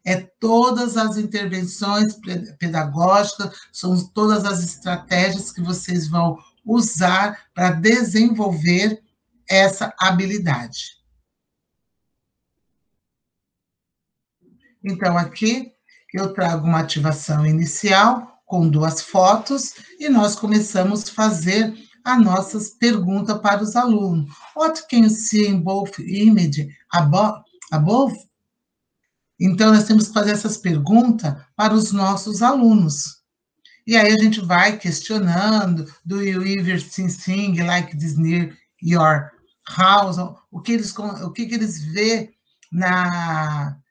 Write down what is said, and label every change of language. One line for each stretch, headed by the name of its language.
Portuguese: É todas as intervenções pedagógicas, são todas as estratégias que vocês vão usar para desenvolver essa habilidade. Então, aqui eu trago uma ativação inicial com duas fotos e nós começamos a fazer a nossa pergunta para os alunos.
English: What can you see in both images above?
Portuguese: Então, nós temos que fazer essas perguntas para os nossos alunos. E aí a gente vai questionando:
English: Do you ever see things like this near your house?
Portuguese: O que eles vê na.